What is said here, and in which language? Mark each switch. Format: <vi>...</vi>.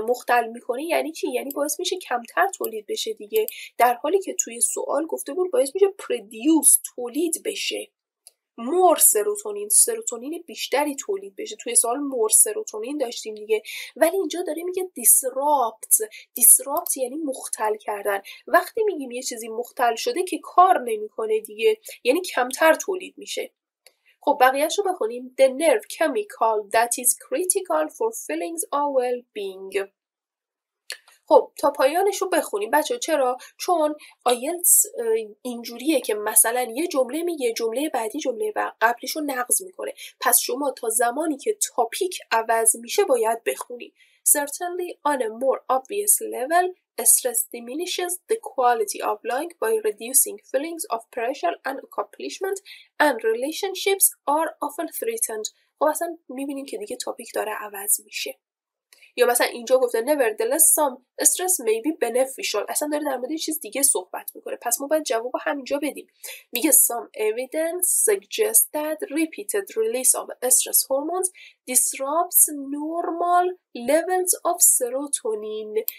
<fa>مختل میکنه یعنی چی؟ یعنی باعث میشه کمتر تولید بشه دیگه، در حالی که توی سوال گفته بود باعث میشه پردیوز تولید بشه، مور سروتونین، سروتونین بیشتری تولید بشه. توی سوال مور سروتونین داشتیم دیگه، ولی اینجا داره میگه دیسرابت. دیسرابت یعنی مختل کردن. وقتی میگیم یه چیزی مختل شده که کار نمیکنه دیگه، یعنی کمتر تولید میشه. خب بقیهش رو بخونیم.</fa> <en>The nerve chemical that is critical for feelings of well-being.</en> <fa>خب تا پایانش رو بخونیم بچه ها. چرا؟ چون آیلتس اینجوریه که مثلا یه جمله میگه، جمله بعدی جمله قبلش رو نقض میکنه. پس شما تا زمانی که تاپیک عوض میشه باید بخونی.</fa> <en>Certainly on a more obvious level, stress diminishes the quality of life by reducing feelings of pressure and accomplishment and relationships are often threatened.</en> <fa>خب اصلا میبینیم که دیگه تاپیک داره عوض میشه. یا مثلا اینجا گفته</fa> <en>nevertheless some stress may be beneficial.</en> <fa>اصلا داره در مورد یه چیز دیگه صحبت میکنه. پس ما باید جواب رو همینجا بدیم. میگه</fa> <en>some evidence suggests that repeated release of stress hormones disrupts normal levels of serotonin.</en>